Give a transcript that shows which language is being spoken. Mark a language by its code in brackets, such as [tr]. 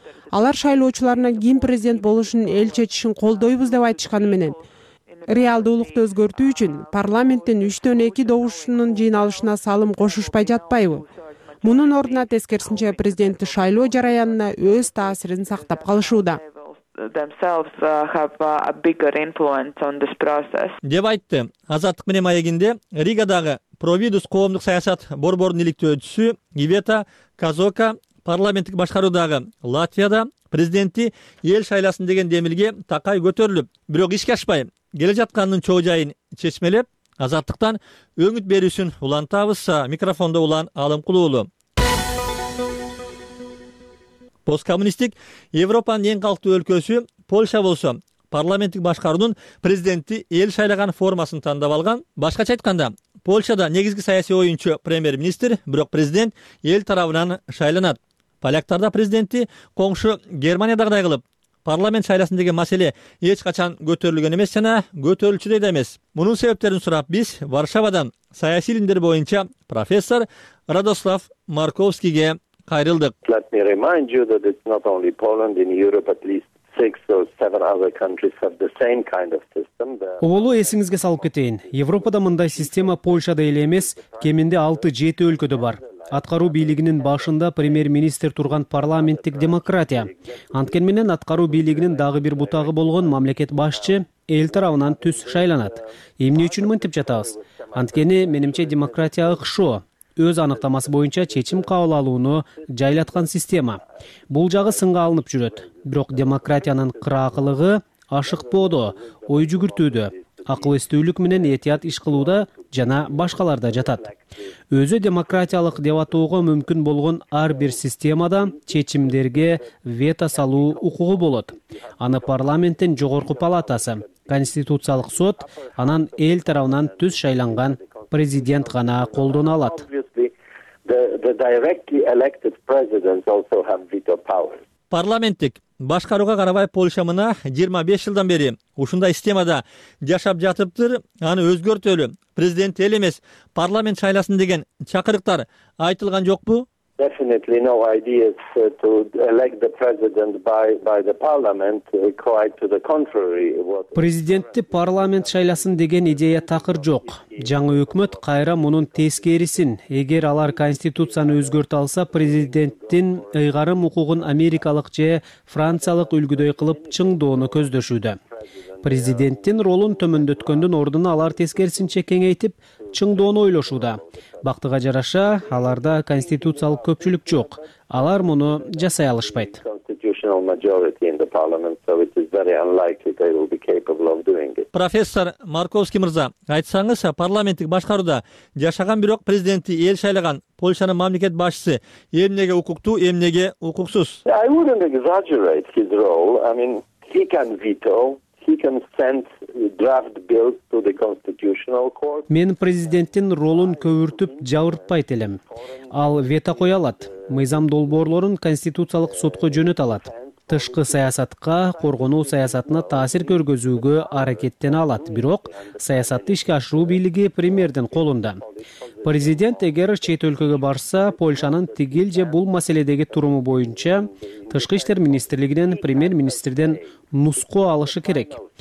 [ky] Алар шайлоочуларына ким президент болушун эл чечишин колдойбуз деп айтышканы менен, реалдуулукту өзгөртүү үчүн парламенттин 3-2 добушунун жыйналышына салым кошушпай жатпайбы? Мунун ордуна тескерисинче президентти шайлоо жараянына өз таасирин сактап калышууда. [en] Themselves have a bigger influence on this process. [ky] Деп айтты Азаттык менен маегинде Ригадагы Providus коомдук саясат борборунун иликтөөчүсү Ивета Казока. Парламенттик башкаруудагы Латвияда президентти эл шайласын деген демилге такай көтөрүлүп, бирок ишке ашпай келе жатканынын чоо жайын чечмелеп, Азаттыктан өңүт берүүсүн улантабыз. Микрофондо Улан Алымкулуу уулу. Посткоммунисттик Европанын эң калктуу өлкөсү Польша болсо, парламенттик башкаруунун президентти эл шайлаган формасын тандап алган. Башкача айтканда, Польшада негизги саясий оюнчу премьер-министр, бирок президент эл тарабынан шайланат. Поляктарда президентти коңшу Германиядагыдай кылып, парламент шайласын деген маселе эч качан көтөрүлгөн эмес жана көтөрүлчүдөй да эмес. Мунун себептерин сурап, биз Варшавадан саясий илимдер боюнча профессор Радослав Марковскийге кайрылдык. [en] Let me remind you that it's not only Poland, in Europe at least 6 or 7 other countries have the same kind of system. [ky] Оболу эсиңизге салып кетейин. Европада мындай система Польшада эле эмес, кеминде 6-7 өлкөдө бар. Аткаруу бийлигинин башында премьер-министр турган парламенттик демократия. Анткени менен аткаруу бийлигинин дагы бир бутагы болгон мамлекет башчы эл тарабынан түз шайланат. Эмне үчүн мынтип жатабыз? Анткени менимче демократия ыкшоо, өз аныктамасы боюнча чечим кабыл алууну жайлаткан система. Бул жагы сынга алынып жүрөт. Бирок демократиянын кыраакылыгы ашыкпоодо, ой жүгүртүүдө, акыл эстүүлүк менен этият иш кылууда жана башкаларда жатат. Өзү демократиялык деп атоого мүмкүн болгон ар бир системада чечимдерге вето салуу укугу болот. Аны парламенттин жогорку палатасы, конституциялык сот, анан эл тарабынан түз шайланган президент гана колдоно алат. [en] The directly elected president also have veto powers. [ky] Парламенттик башкарууга карабай Польша мына 25 жылдан бери ушундай системада жашап жатыптыр. Аны өзгөртөлү, президент эл эмес, парламент шайласын деген чакырыктар айтылган жокпу? [en] Definitely no ideas to elect the president by the parliament, quite to the contrary. [ky] Президентти парламент шайласын деген идея такыр жок. Жаңы өкмөт кайра мунун тескерисин, эгер алар конституцияны өзгөртө алса, президенттин ыйгарым укугун америкалык же франциялык үлгүдөй кылып чыңдоону көздөшүүдө. Президенттин ролун төмөндөткөндүн ордуна алар тескерисинче кеңейтип, чыңдоону ойлошууда. Бактыга жараша, аларда конституциялык көпчүлүк жок. Алар муну жасай алышпайт. Профессор Марковский мырза, айтсаңыз, парламенттик башкарууда жашаган, бирок президентти эл шайлаган Польшанын мамлекет башчысы эмнеге укуктуу, эмнеге укуксуз? [en] I wouldn't exaggerate his role. I mean, he can veto. He can send draft bills to the constitutional court. [ky] Мен президенттин ролун көбүртүп жабыртпайт элем. Ал вето кое алат. Мыйзам долбоорлорун конституциялык сотко жөнөтө алат. Тышкы саясатка, коргонуу саясатына таасир көргөзүүгө аракеттен алат, бирок саясатты ишке ашыруу бийлиги премьердин колунда. Президент эгер чет өлкөгө барса, Польшанын тигил же бул маселедеги туруму боюнча Тышкы иштер министрлигинен, премьер-министрден нуску алышы керек.